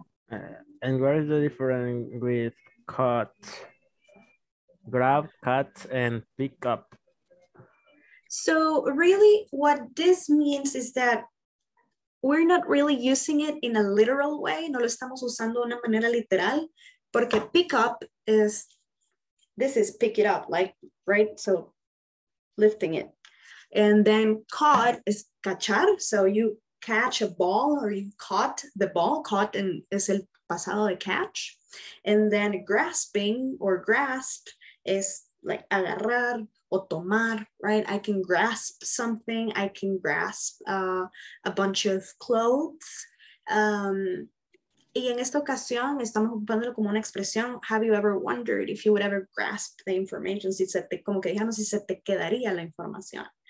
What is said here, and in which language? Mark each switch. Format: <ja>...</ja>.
<en>And what is the difference with cut, grab, cut, and pick up? So really what this means is that we're not really using it in a literal way.</en> <es>No lo estamos usando de una manera literal. Porque</es> <en>pick up is, this is pick it up, like, right? So lifting it. And then caught is cachar. So you catch a ball or you caught the ball. Caught and</en> <es>es el pasado de</es> <en>catch. And then grasping or grasp is like agarrar.</en> <es>O tomar,</es> <en>right? I can grasp something. I can grasp a bunch of clothes.</en> <es>Y en esta ocasión estamos ocupándolo como una expresión.</es> <en>Have you ever wondered if you would ever grasp the information?</en> <es>Si se te, como que dijimos, si se te quedaría la información.</es>